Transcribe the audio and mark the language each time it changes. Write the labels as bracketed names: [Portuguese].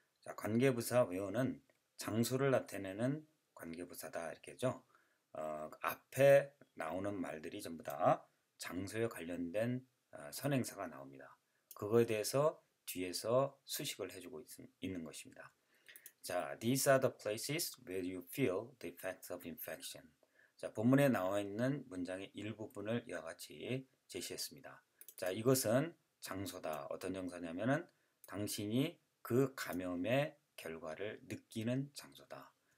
[Korean] 자, 관계부사 외우는 장소를 나타내는 관계부사다 이렇게죠. 앞에 나오는 말들이 전부 다 장소에 관련된 선행사가 나옵니다. 그거에 대해서 뒤에서 수식을 해주고 있는 것입니다. [English] 자, these are the places where you feel the effects of infection. [Korean] 자, 본문에 나와 있는 문장의 일부분을 이와 같이 제시했습니다. 자, 이것은 장소다. 어떤 정서냐면은 당신이 그 감염의 결과를 느끼는 장소다.